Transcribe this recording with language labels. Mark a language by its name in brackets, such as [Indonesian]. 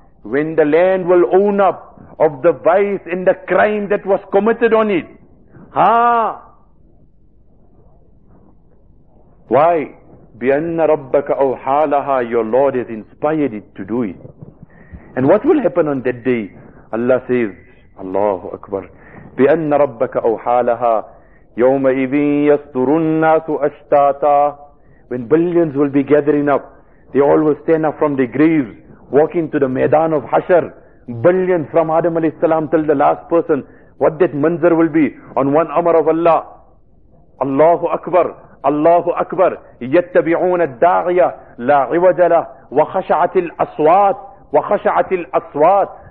[English] When the land will own up of the vice and the crime that was committed on it. Ha! Why? [Arabic] بِأَنَّ رَبَّكَ أَوْحَالَهَا. [English] Your Lord has inspired it to do it. And what will happen on that day? Allah says, [Arabic] Allahu Akbar, بِأَنَّ رَبَّكَ أَوْحَى لَهَا يَوْمَئِذٍ يَصْدُرُ النَّاسُ أَشْتَاتًا. [English] When billions will be gathering up, they all will stand up from their graves, walking to the Maidan of Hashar. Billions from Adam alayhi salam till the last person. What that manzar will be on one Amr of Allah. [Arabic] Allahu Akbar, Allahu Akbar. يَتَّبِعُونَ الدَّاعِيَةَ لَا عِوَجَ لَهُ وَخَشَعَتِ الْأَصْوَاتِ وَخَشَعَتِ الْأَصْوَاتِ.